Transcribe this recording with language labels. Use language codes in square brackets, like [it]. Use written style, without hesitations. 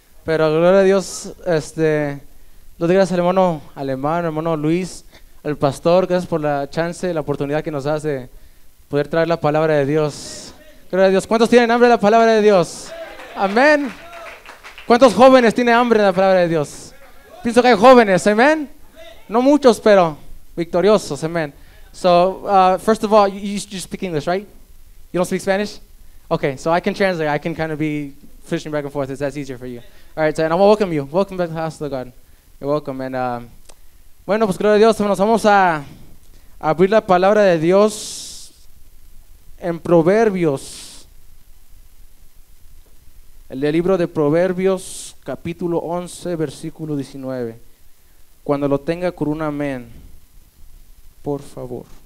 [es] Pero gloria a Dios, lo doy gracias al hermano alemán, hermano Luis, al pastor, gracias por la chance, la oportunidad que nos hace poder traer la palabra de Dios. Gloria a Dios, ¿cuántos tienen hambre de la palabra de Dios? Amén. ¿Cuántos jóvenes tienen hambre de la palabra de Dios? Pienso que hay jóvenes, amén. No muchos, pero victoriosos, amén. [en] So, first of all, you speak English, right? You don't speak Spanish? Okay, so I can translate. I can kind of be fishing back and forth. If that's easier for you. All right, so, and I'm going to welcome you. Welcome back to the house of the God. You're welcome. And, [es] bueno, pues, gloria a Dios. Nos vamos a abrir la palabra de Dios en Proverbios. El libro de Proverbios, capítulo 11, versículo 19. Cuando lo tenga, con un amén. Por favor.